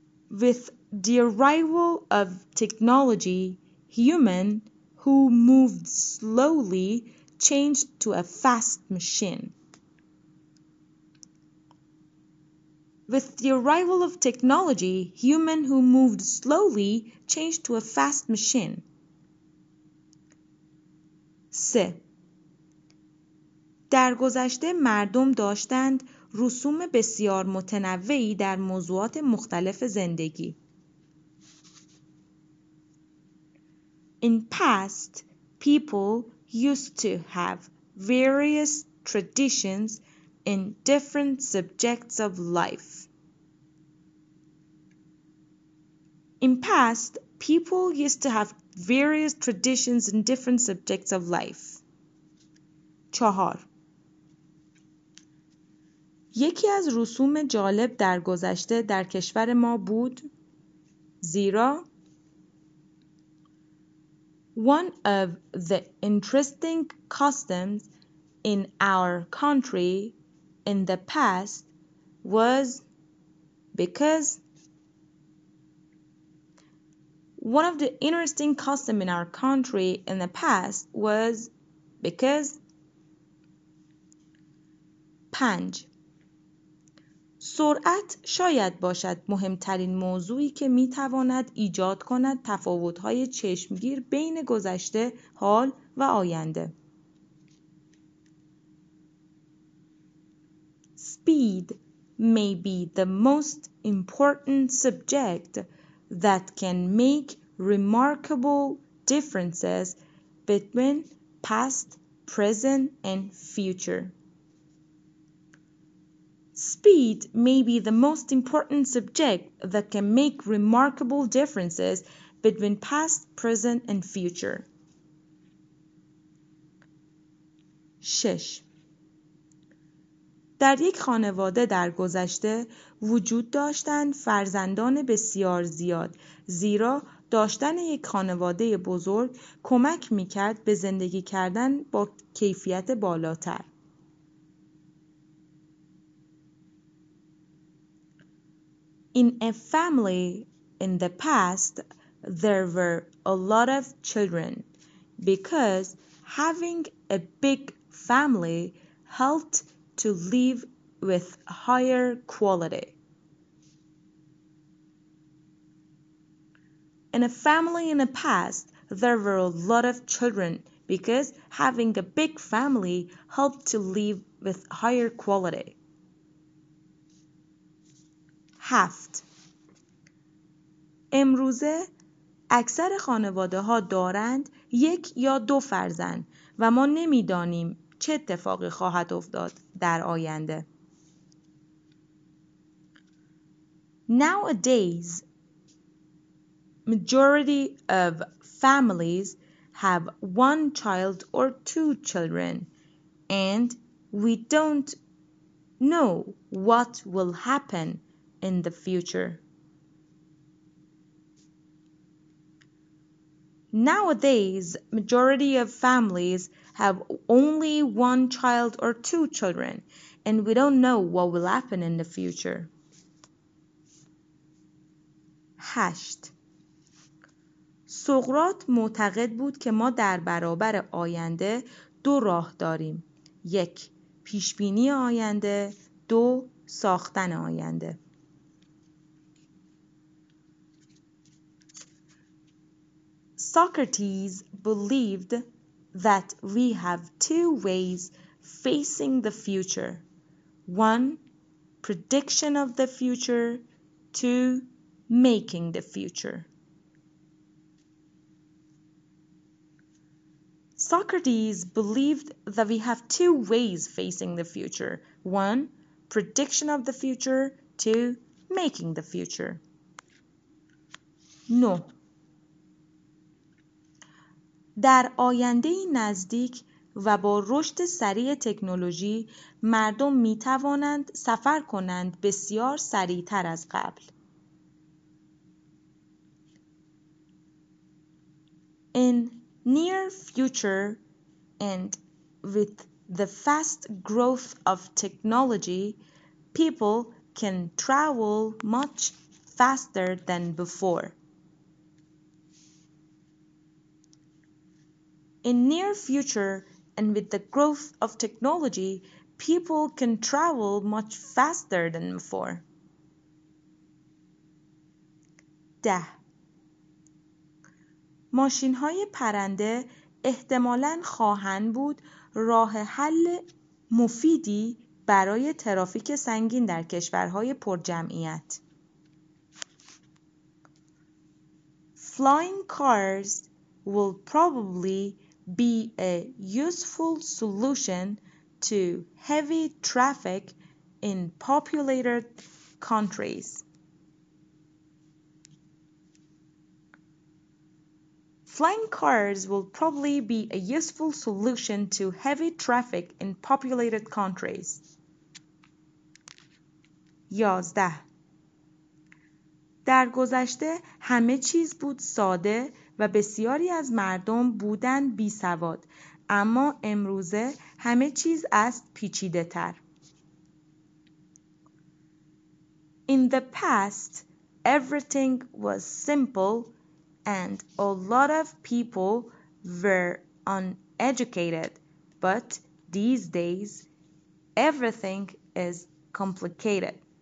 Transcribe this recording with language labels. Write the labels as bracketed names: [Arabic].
[English] With the arrival of technology, human who moved slowly changed to a fast machine. With the arrival of technology, human who moved slowly changed to a fast machine. [Persian] سه. در گذشته مردم داشتند رسوم بسیار متنوعی در موضوعات مختلف زندگی. [English] In past, people used to have various traditions in different subjects of life. In past, people used to have various traditions in different subjects of life. [Persian] چهار. یکی از رسوم جالب در گذشته در کشور ما بود زیرا [English] One of the interesting customs in our country in the past was because One of the interesting customs in our country in the past was because [Persian] پنج سرعت شاید باشد مهمترین موضوعی که می تواند ایجاد کند تفاوت‌های چشمگیر بین گذشته، حال و آینده. [English] Speed may be the most important subject that can make remarkable differences between past, present and future. Speed may be the most important subject that can make remarkable differences between past, present and future. [Persian] شش. در یک خانواده در گذشته وجود داشتند فرزندان بسیار زیاد زیرا داشتن یک خانواده بزرگ کمک می‌کرد به زندگی کردن با کیفیت بالاتر. [English] In a family in the past, there were a lot of children because having a big family helped to live with higher quality. In a family in the past, there were a lot of children because having a big family helped to live with higher quality. [Persian] هفت. امروزه اکثر خانواده ها دارند یک یا دو فرزند و ما نمیدانیم چه اتفاقی خواهد افتاد در آینده. [English] Nowadays, majority of families have one child or two children and we don't know what will happen in the future. Nowadays, majority of families have only one child or two children, and we don't know what will happen in the future. [Persian] هشت. سقراط معتقد بود که ما در برابر آینده دو راه داریم. یک، پیشبینی آینده، دو، ساختن آینده. [English] Socrates believed that we have two ways facing the future. One, prediction of the future. Two, making the future. Socrates believed that we have two ways facing the future. One, prediction of the future. Two, making the future. No. [Persian] در آینده نزدیک و با رشد سریع تکنولوژی مردم می توانند سفر کنند بسیار سریع تر از قبل. [English] In near future and with the fast growth of technology, people can travel much faster than before. In near future and with the growth of technology, people can travel much faster than before. [Persian] ده ماشین‌های پرنده احتمالاً خواهند بود راه حل مفیدی برای ترافیک سنگین در کشورهای پرجمعیت. [English] Flying cars will probably be a useful solution to heavy traffic in populated countries. Flying cars will probably be a useful solution to heavy traffic in populated countries. [Persian] 11. در گذشته همه چیز بود ساده و بسیاری از مردم بودند بی سواد، اما امروزه همه چیز است پیچیده تر. [English] In the past, everything was simple and a lot of people were uneducated, but these days, everything is complicated.